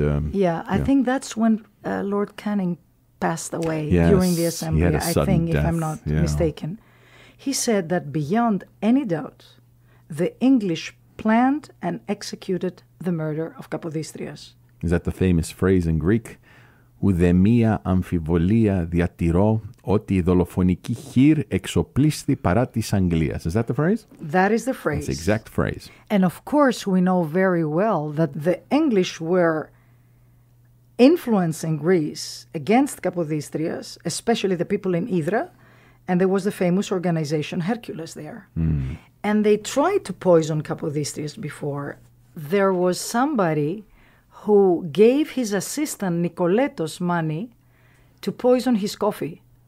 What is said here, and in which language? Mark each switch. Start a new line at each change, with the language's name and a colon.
English: I think that's when Lord Canning passed away, yes, during the assembly, death, if I'm not mistaken. He said that beyond any doubt, the English planned and executed the murder of Kapodistrias. Is that the famous phrase in Greek?
Greek: Ουδεμία αμφιβολία διατηρώ ότι η δολοφονική χείρ εξοπλίστη παρά της Αγγλίας.
English: Is that the phrase? That is the phrase. That's the exact phrase. And of course, we know very well that the English were influencing Greece against Kapodistrias, especially the people in Hydra, and there was the famous organization Hercules there. Mm. And they tried to poison Kapodistrias before. There was somebody who gave his assistant Nicoletos money to poison his coffee.